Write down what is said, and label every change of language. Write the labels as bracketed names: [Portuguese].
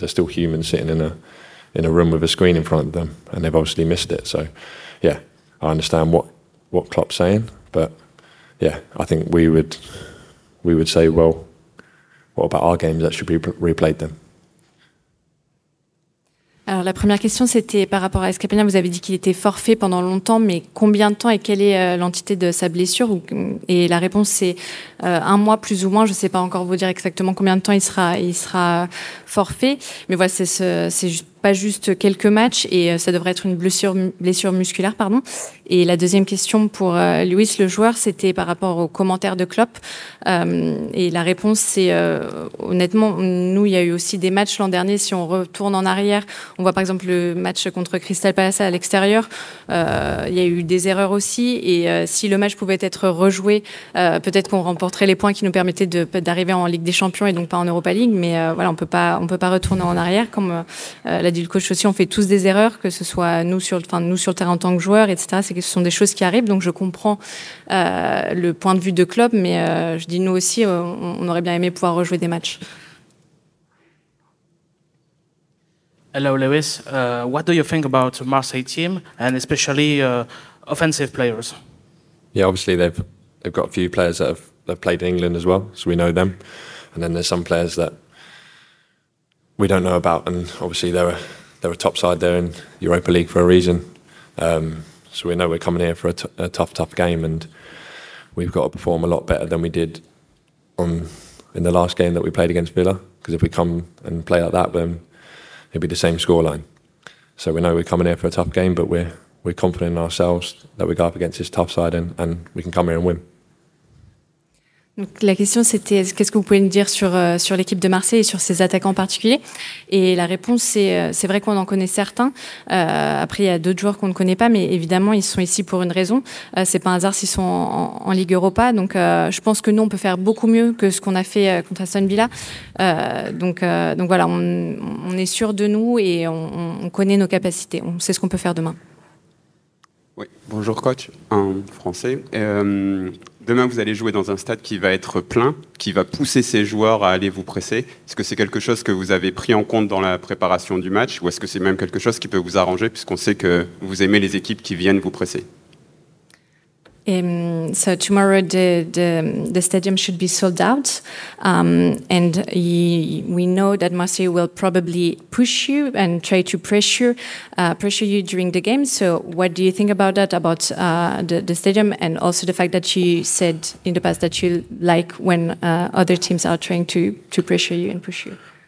[English] There's still humans sitting in a room with a screen in front of them, and they've obviously missed it. So, yeah, I understand what Klopp's saying, but yeah, I think we would say, well, what about our games that should be replayed then? [French] Alors la première question, c'était par rapport à Estupinan. Vous avez dit qu'il était forfait pendant longtemps, mais combien de temps et quelle est l'entité de sa blessure? Et la réponse, c'est un mois plus ou moins. Je ne sais pas encore vous dire exactement combien de temps il sera forfait. Mais voilà, c'est pas juste quelques matchs et ça devrait être une blessure musculaire, pardon. Et la deuxième question pour Luis, le joueur, c'était par rapport aux commentaires de Klopp. Et la réponse, c'est honnêtement, nous, il y a eu aussi des matchs l'an dernier. Si on retourne en arrière, on voit par exemple le match contre Crystal Palace à l'extérieur. Il y a eu des erreurs aussi. Et si le match pouvait être rejoué, peut-être qu'on remporterait les points qui nous permettaient d'arriver en Ligue des Champions et donc pas en Europa League. Mais voilà, on peut pas retourner en arrière. Comme l'a dit le coach aussi, on fait tous des erreurs, que ce soit nous sur le terrain en tant que joueurs, etc. C'est que ce sont des choses qui arrivent, donc je comprends le point de vue de Klopp, mais je dis nous aussi, on aurait bien aimé pouvoir rejouer des matchs. [English] Hello Lewis, what do you think about Marseille team and especially offensive players? Yeah, obviously they've got a few players that have played in England as well, so we know them, and then there's some players that we don't know about, and obviously they're a top side there in Europa League for a reason. So we know we're coming here for a tough game, and we've got to perform a lot better than we did in the last game that we played against Villa, because if we come and play like that, then it'd be the same scoreline. So we know we're coming here for a tough game, but we're confident in ourselves that we go up against this tough side and we can come here and win. [French] Donc la question, c'était qu'est-ce que vous pouvez nous dire sur l'équipe de Marseille et sur ses attaquants en particulier. Et la réponse, c'est vrai qu'on en connaît certains. Après, il y a d'autres joueurs qu'on ne connaît pas, mais évidemment, ils sont ici pour une raison. C'est pas un hasard s'ils sont en Ligue Europa. Donc je pense que nous, on peut faire beaucoup mieux que ce qu'on a fait contre Aston Villa. Donc voilà, on est sûr de nous et on connaît nos capacités. On sait ce qu'on peut faire demain. Oui, bonjour coach, en français. Demain, vous allez jouer dans un stade qui va être plein, qui va pousser ses joueurs à aller vous presser. Est-ce que c'est quelque chose que vous avez pris en compte dans la préparation du match, ou est-ce que c'est même quelque chose qui peut vous arranger, puisqu'on sait que vous aimez les équipes qui viennent vous presser? [English] So tomorrow the stadium should be sold out, and we know that Marseille will probably push you and try to pressure you during the game. So what do you think about that, about the stadium, and also the fact that you said in the past that you like when other teams are trying to pressure you and push you?